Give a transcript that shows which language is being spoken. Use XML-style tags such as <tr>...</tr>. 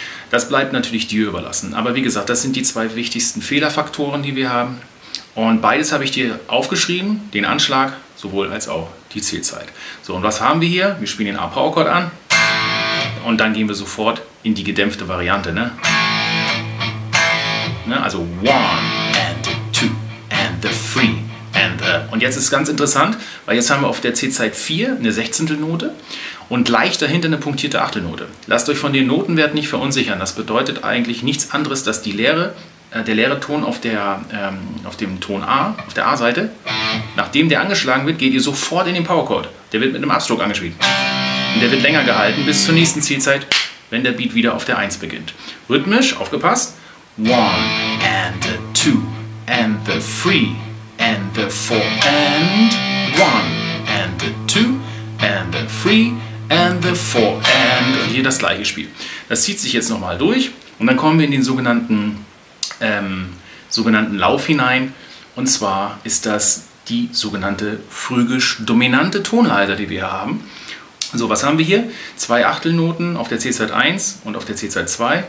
<de>Das bleibt natürlich dir überlassen. Aber wie gesagt, das sind die zwei wichtigsten Fehlerfaktoren, die wir haben. Und beides habe ich dir aufgeschrieben, den Anschlag, sowohl als auch die Zählzeit. So, und was haben wir hier? Wir spielen den A-Power-Chord an. Und dann gehen wir sofort in die gedämpfte Variante. Ne? Ne?</de> <en>Also one and two and the three and the...</en> <de>Und jetzt ist es ganz interessant, weil jetzt haben wir auf der Zählzeit 4 eine 16. Note. Und leicht dahinter eine punktierte Achtelnote. Lasst euch von den Notenwerten nicht verunsichern. Das bedeutet eigentlich nichts anderes, dass der leere Ton auf dem Ton A, auf der A-Seite, nachdem der angeschlagen wird, geht ihr sofort in den Powerchord. Der wird mit einem Upstroke angespielt. Und der wird länger gehalten bis zur nächsten Zielzeit, wenn der Beat wieder auf der 1 beginnt. Rhythmisch, aufgepasst.</de> <en>One and the two and the three and the four and one and the two and the three and the four and</en> <de>hier das gleiche Spiel. Das zieht sich jetzt nochmal durch und dann kommen wir in den sogenannten Lauf hinein. Und zwar ist das die sogenannte phrygisch dominante Tonleiter, die wir haben. So, was haben wir hier? Zwei Achtelnoten auf der C-Zeit 1 und auf der C-Zeit 2.</de>